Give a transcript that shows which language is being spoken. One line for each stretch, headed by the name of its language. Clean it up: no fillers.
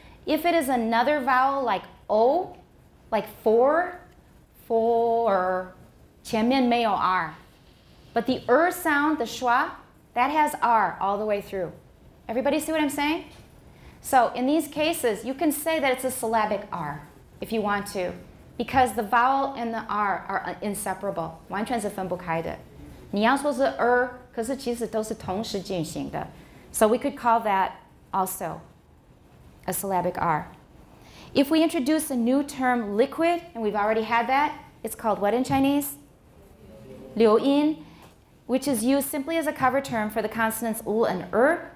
English: If it is another vowel like O, like four, four,
Chinese: 前面没有R.
English: But the R sound, the schwa, that has R all the way through. Everybody see what I'm saying? So in these cases, you can say that it's a syllabic R if you want to, because the vowel and the R are inseparable.
Chinese: 完全是分不开的。你要说是R, 可是其实都是同时进行的。
English: So we could call that also a syllabic R. If we introduce a new term, liquid, and we've already had that, it's called what in Chinese? 流音, which is used simply as a cover term for the consonants U and R.